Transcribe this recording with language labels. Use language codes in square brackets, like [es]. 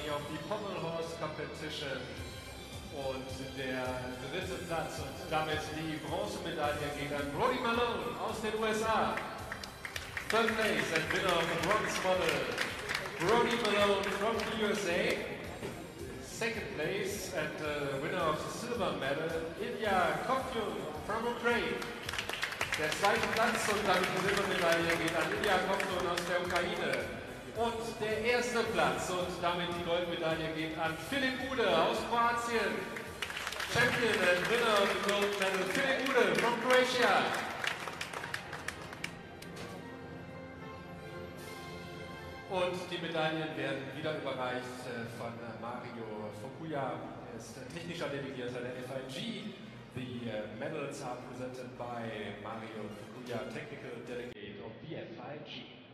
[de] Und der dritte Platz und damit die Bronzemedaille geht an Brody Malone aus den USA. [en] Third place and winner of the bronze medal, Brody Malone from the USA. Second place and winner of the silver medal, Ilia Kovtun from Ukraine. [de] Der zweite Platz und damit die Silbermedaille geht an Ilia Kovtun aus der Ukraine. Und der erste Platz und damit die Goldmedaille geht an Filip Ude aus Kroatien. Champion and winner of the gold medal, Filip Ude from Croatia. Und die Medaillen werden wieder überreicht von Mario Fukuya. Er ist technischer Delegierter der FIG. [en] The medals are presented by Mario Fukuya, Technical Delegate of the FIG.